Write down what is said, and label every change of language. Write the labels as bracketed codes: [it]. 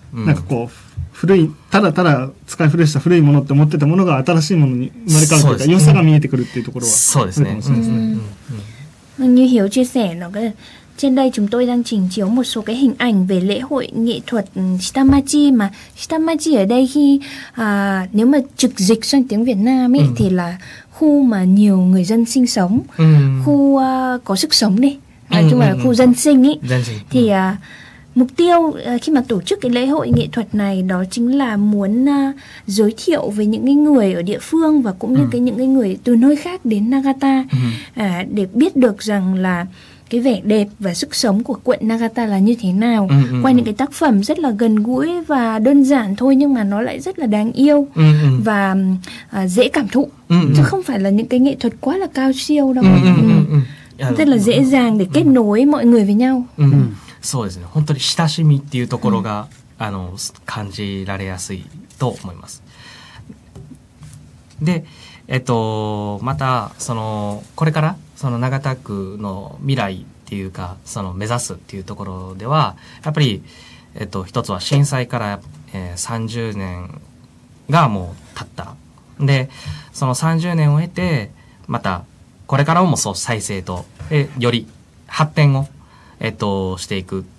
[ja] なんかこう、古い、ただただ使い古した古いものって思ってたものが新しいものに生まれ変わるというか、良さが見えてくるっていうところは。そうですね。 [vi] Như Hiếu chia sẻ, nó cái trên đây chúng tôi đang trình chiếu một số cái hình ảnh về lễ hội nghệ thuật Shitamachi, mà Shitamachi ở đây khi nếu mà trực dịch sang tiếng Việt Nam ấy, thì là khu mà nhiều người dân sinh sống, khu có sức sống đi, nói chung là khu dân sinh ấy. Thì mục tiêu khi mà tổ chức cái lễ hội nghệ thuật này đó chính là muốn giới thiệu với những cái người ở địa phương và cũng như cái những cái người từ nơi khác đến Nagata để biết được rằng là cái vẻ đẹp và sức sống của quận Nagata là như thế nào, qua những cái tác phẩm rất là gần gũi và đơn giản thôi nhưng mà nó lại rất là đáng yêu và dễ cảm thụ, chứ không phải là những cái nghệ thuật quá là cao siêu đâu, rất là dễ dàng để kết nối mọi người với nhau. [ja] そうですね、本当に親しみっていうところが、あの、感じられやすいと思います。で、またそのこれからその長田区の未来っていうか、その目指すっていうところでは、やっぱり、一つは震災から、30年がもう経った、でその30年を経てまたこれからもそう再生とより発展をしていく。